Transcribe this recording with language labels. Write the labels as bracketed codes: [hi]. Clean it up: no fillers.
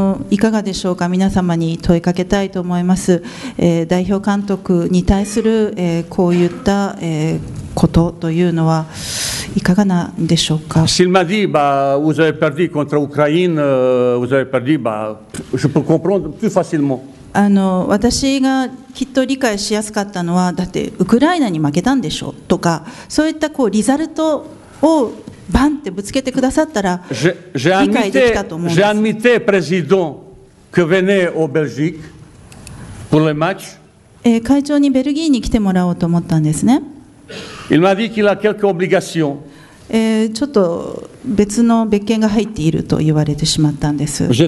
[ja] いかがでしょうか、皆様に問いかけたいと思います。代表監督に対する、こういった、ことというのはいかがなんでしょうか。 [fr] S'il m'a dit, bah, vous avez perdu contre Ukraine, vous avez perdu, bah, je peux comprendre plus facilement. [ja] 私がきっと理解しやすかったのは、だってウクライナに負けたんでしょうとか、そういったこうリザルトをバンってぶつけてくださったら理解できたと思うんです。 [fr] J'ai invité le président qui venait au Belgique pour le match. [ja] 会長にベルギーに来てもらおうと思ったんですね。 [fr] Il m'a dit qu'il a quelques obligations. [ja] ちょっと別の別件が入っていると言われてしまったんです。